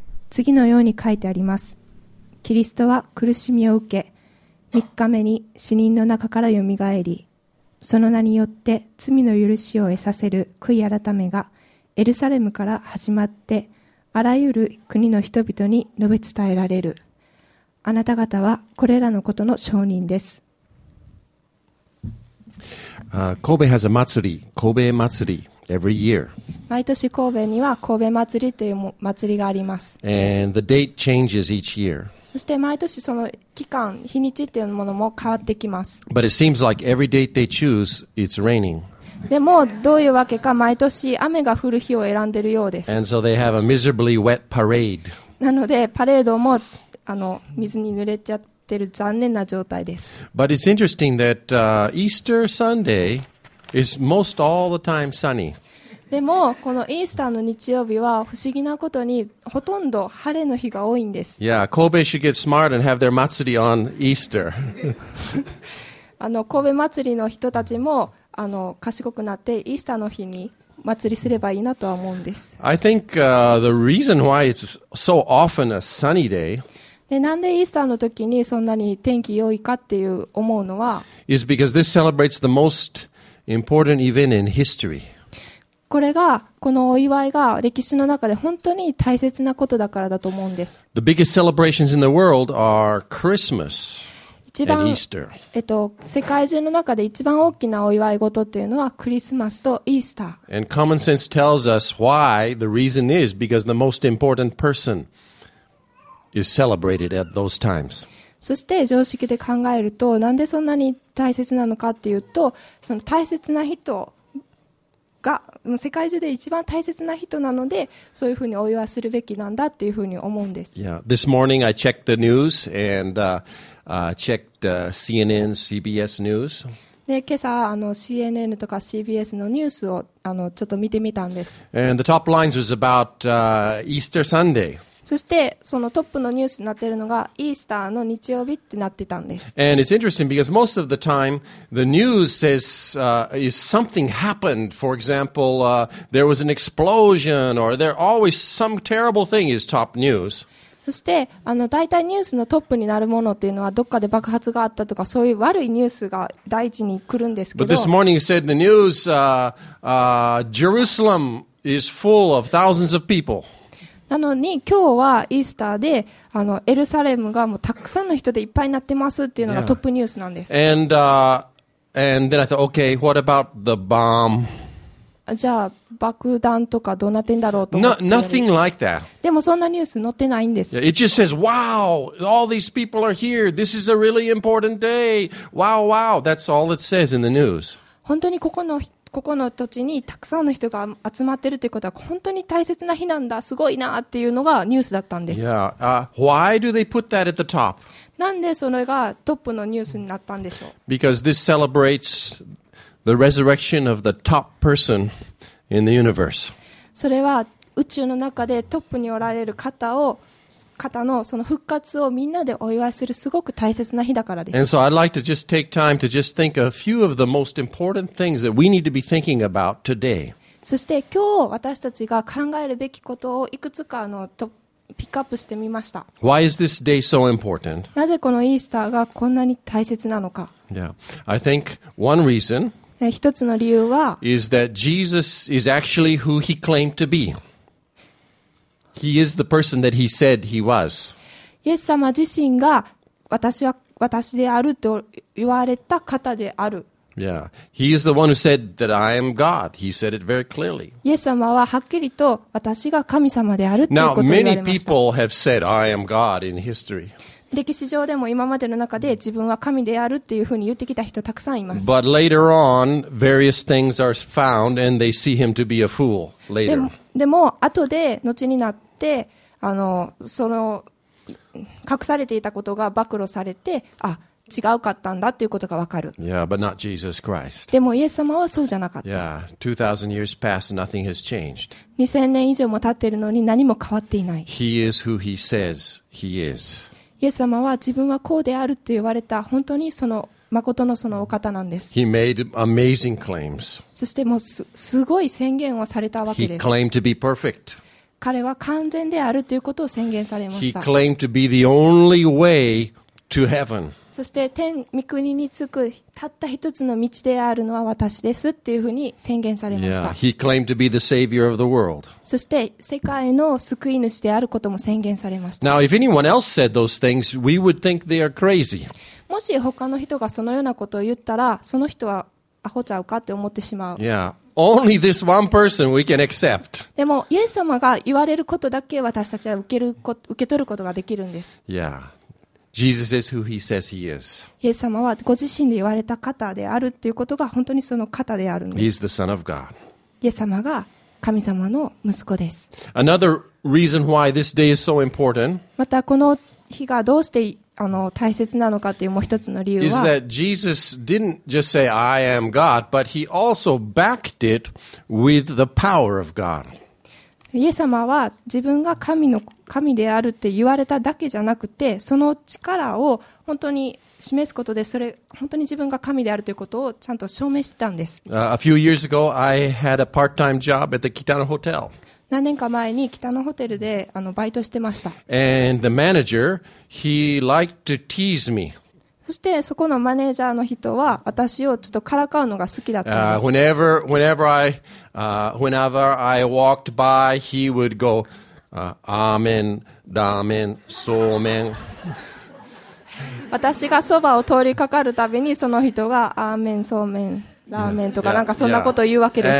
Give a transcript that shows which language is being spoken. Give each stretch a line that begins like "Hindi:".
Japanese: 次のように書いてあります。キリストは苦しみを受け、三日目に死人の中からよみがえり、その名によって罪の許しを得させる悔い改めがエルサレムから始まってあらゆる国の人々に述べ伝えられる。あなた方はこれらのことの証人です。
English: 神戸 has a 祭り、神戸祭り every year。
Japanese: 毎年神戸には神戸祭りという祭りがあります。
English: And the date changes each year.
Japanese: そして毎年その期間、日にちっていうものも変わってきます。
English: But it seems like every date they choose, it's raining.
Japanese: でもどういうわけか毎年雨が降る日を選んでるようです。
English: And so they have a miserably wet parade.
Japanese: なのでパレードも水に濡れちゃってる残念な状態です。
English: But it's interesting that Easter Sunday is most all the time sunny.
Japanese: でもこのイースターの日曜日は不思議なことにほとんど晴れの日が多いんです。
English: Yeah, Kobe should get smart and have their 祭り on Easter.
Japanese: 神戸祭りの人たちも賢くなってイースターの日に祭りすればいいなとは思うんです。
English: I think the reason why it's so often a sunny day.
Japanese: でなんでイースターの時にそんなに天気良いかっていう思うのは、
English: is because this celebrates the most important event in history.
Japanese: これがこのお祝いが歴史の中で本当に大切なことだからだと思うんです。
English: The biggest celebrations in the world are Christmas.
Japanese: 一番、世界中の中で一番大きなお祝い事っていうのはクリスマスとイースター。
English: And common sense tells us why the reason is because the most important person is celebrated at those times.
Japanese: そして常識で考えると、なんでそんなに大切なのかっていうと、その大切な人が世界中で一番大切な人なので、そういうふうにお祝いするべきなんだっていうふうに思うんです。
English: Yeah, this morning I checked the news and, checked CNN, CBS news.
Japanese: で、今朝CNN とか CBS のニュースをちょっと見てみたんです。
English: And the top lines was about, Easter Sunday.
Japanese: そしてそのトップのニュースになっているのがイースターの日曜日ってなってたんです。
English: And it's interesting because most of the time the news says, is something happened. For example, there was an explosion or there always some terrible thing is top news.
Japanese: そしてだいたいニュースのトップになるものっていうのはどっかで爆発があったとかそういう悪いニュースが第一に来るんですけど。
English: But this morning it said the news, Jerusalem is full of thousands of people.
Japanese: なのに今日はイースターでエルサレムがもうたくさんの人でいっぱいになってますっていうのがトップニュースなんです。
English: Yeah. And, and then I thought, okay, what about the bomb?
Japanese: じゃあ爆弾とかどうなってんだろうと思って。
English: Nothing like that.
Japanese: でもそんなニュース載ってないんです。
English: Yeah, it just says, wow, all these people are here. This is a really important day. Wow, wow. That's all it says in the news.
Japanese: 本当にここの土地にたくさんの人が集まってるってことは本当に大切な日なんだ、すごいなっていうのがニュースだったんです。
English: Yeah. Why do they put that at the top?
Japanese: なんでそれがトップのニュースになったんでしょう?
English: Because this celebrates the resurrection of the top person in the universe.
Japanese: それは宇宙の中でトップにおられる方のその復活をみんなでお祝いするすごく大切な日だからです。
English: And so I'd like to just take time to just think a few of the most important things that we need to be thinking about today.
Japanese: そして今日私たちが考えるべきことをいくつかピックアップしてみました。
English: Why is this day so important?
Japanese: なぜこのイースターがこんなに大切なのか。
English: Yeah. I think one reason
Japanese: 一つの理由は
English: is that Jesus is actually who he claimed to be. He is the person that he said he was.
Japanese: イエス様自身が私は私であると言われた方である。
English: Yeah. He is the one who said that I am God. He said it very clearly.
Japanese: イエス様ははっきりと私が神様であるということを言われました。
English: Now, many people have said I am God in history.
Japanese: 歴史上でも今までの中で自分は神であるっていうふうに言ってきた人たくさんいます。
English: But later on, various things are found and they see him to be a fool later.
Japanese: でも後で後になってその隠されていたことが暴露されてあ違うかったんだということがわかる。
English: Yeah, but not Jesus Christ.
Japanese: でもイエス様はそうじゃなかった。
English: Yeah, 2000 years past, nothing has changed.
Japanese: 2000年以上も経っているのに何も変わっていない。
English: He is who he says he is.
Japanese: イエス様は自分はこうであると言われた本当にその誠のそのお方なんです。
English: He made amazing claims.
Japanese: そしてもう すごい宣言をされたわけです。
English: He claimed to be perfect.
Japanese: 彼は完全であるということを宣言されました。
English: He claimed to be the only way to heaven.
Japanese: そして天御国に着くたった一つの道であるのは私ですっていうふうに宣言されました。
English: Yeah. He claimed to be the savior of the world.
Japanese: そして世界の救い主であることも宣言されました。
English: Now, if anyone else said those things, we would think they are crazy.
Japanese: もし他の人がそのようなことを言ったら、その人はアホちゃうかって思ってしまう。
English: Yeah. Only this one person we can accept.
Japanese: でも、イエス様が言われることだけ私たちは受け取ることができるんです。
English: Yeah. Jesus is who he says he is.
Japanese: イエス様はご自身で言われた方であるということが本当にその方であるんです。
English: He's the son of God.
Japanese: イエス様が神様の息子です。
English: Another reason why this day is so important.
Japanese: またこの日がどうして大切なのかというもう一つの理由は
English: is that Jesus didn't just say I am God, but he also backed it with the power of God.
Japanese: イエス様は自分が神であるって言われただけじゃなくて、その力を本当に示すことで、それ本当に自分が神であるということをちゃんと証明してたんです。
English: A few years ago, I had a part-time job at the Kitano Hotel.
Japanese: 何年か前に北のホテルでバイトしてました。
English: And the manager, he liked to tease me.
Japanese: そしてそこのマネージャーの人は私をちょっとからかうのが好きだったんです。
English: Whenever I walked by, he would go,
Japanese: アーメン、ラーメン、そうめん。私がそばを通りかかるたびにその人がアーメン、そうめん、ラーメンとかなんかそんなことを言うわけです。